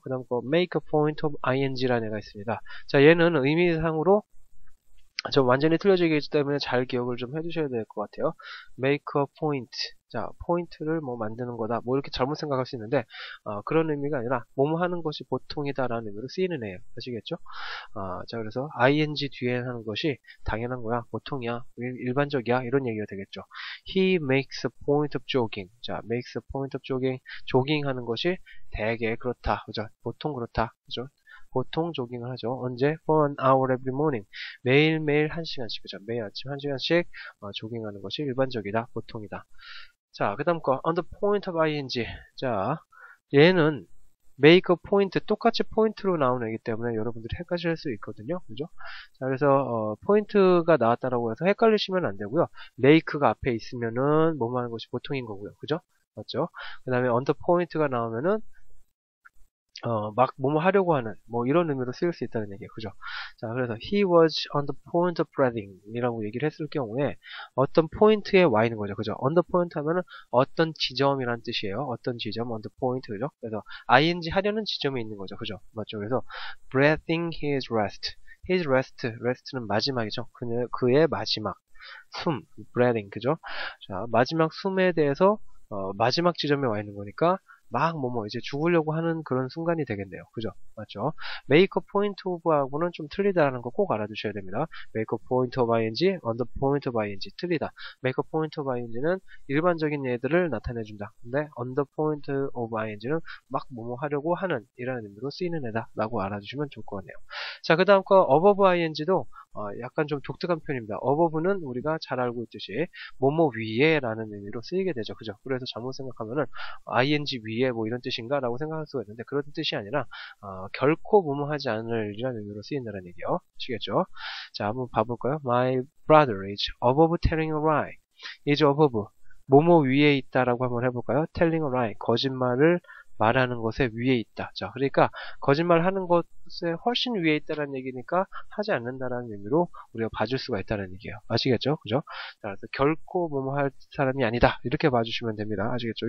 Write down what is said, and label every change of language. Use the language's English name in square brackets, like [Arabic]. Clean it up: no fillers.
[Korean] 그 다음 거 [English] make a point of ing [Korean] 라는 애가 있습니다. 자, 얘는 의미상으로 좀 완전히 틀려지기 때문에 잘 기억을 좀 해주셔야 될것 같아요. [English] Make a point. [Korean] 자, 포인트를 뭐 만드는 거다. 뭐 이렇게 잘못 생각할 수 있는데, 그런 의미가 아니라, 뭐뭐 하는 것이 보통이다라는 의미로 쓰이는 애예요. 아시겠죠? 자, 그래서, ing 뒤에 하는 것이 당연한 거야. 보통이야. 일반적이야. 이런 얘기가 되겠죠. [English] He makes a point of jogging. 자, makes a point of jogging. [Korean] 조깅 하는 것이 되게 그렇다. 그죠? 보통 그렇다. 그죠? 보통 조깅을 하죠. 언제? [English] For an hour every morning. [Korean] 매일매일 한 시간씩. 그죠? 매일 아침 한 시간씩 조깅하는 것이 일반적이다. 보통이다. 자, 그 다음 거, [English] on the point of ing. [Korean] 자, 얘는 make a point, 똑같이 point로 나오는 애기 때문에 여러분들이 헷갈리실 수 있거든요. 그죠? 자, 그래서, point가 나왔다라고 해서 헷갈리시면 안 되고요. make가 앞에 있으면은 뭐뭐 하는 것이 보통인 거고요. 그죠? 맞죠? 그 다음에 [English] on the point [Korean] 가 나오면은, 막 뭐뭐 하려고 하는, 뭐 이런 의미로 쓰일 수 있다는 얘기예요. 그죠? 자, 그래서 [English] he was on the point of breathing [Korean] 이라고 얘기를 했을 경우에 어떤 포인트에 와 있는 거죠. 그죠? [English] on the point [Korean] 하면은 어떤 지점이란 뜻이에요. 어떤 지점, [English] on the point. [Korean] 그죠? 그래서 ing 하려는 지점이 있는 거죠. 그죠? 맞죠? 그래서 [English] breathing his rest. his rest. [Korean] rest는 마지막이죠. 그의 마지막. 숨. breathing. 그죠? 자, 마지막 숨에 대해서 마지막 지점에 와 있는 거니까 막, 뭐, 이제 죽으려고 하는 그런 순간이 되겠네요. 그죠? 맞죠? [English] make a point of [Korean] 하고는 좀 틀리다라는 거꼭 알아두셔야 됩니다. [English] make a point of ing, on the point of ing. [Korean] 틀리다. [English] make a point of ing [Korean] 는 일반적인 예들을 나타내준다. 근데, [English] on the point of ing [Korean] 는 막, 뭐, 하려고 하는, 이라는 의미로 쓰이는 애다라고 알아주시면 좋을 것 같네요. 자, 그 다음 거, above ing도, 약간 좀 독특한 표현입니다. above는 우리가 잘 알고 있듯이, 뭐뭐 위에라는 의미로 쓰이게 되죠. 그죠? 그래서 잘못 생각하면은, ing 위에 뭐 이런 뜻인가? 라고 생각할 수가 있는데, 그런 뜻이 아니라, 결코 뭐뭐 하지 않을이라는 의미로 쓰인다는 얘기요. 아시겠죠? 자, 한번 봐볼까요? [English] My brother is above telling a lie. is above. [Korean] 뭐뭐 위에 있다라고 한번 해볼까요? [English] telling a lie. [Korean] 거짓말을 말하는 것에 위에 있다. 자, 그러니까 거짓말 하는 것에 훨씬 위에 있다라는 얘기니까 하지 않는다라는 의미로 우리가 봐줄 수가 있다는 얘기예요. 아시겠죠? 그죠? 그래서 결코 뭐뭐 할 사람이 아니다. 이렇게 봐주시면 됩니다. 아시겠죠?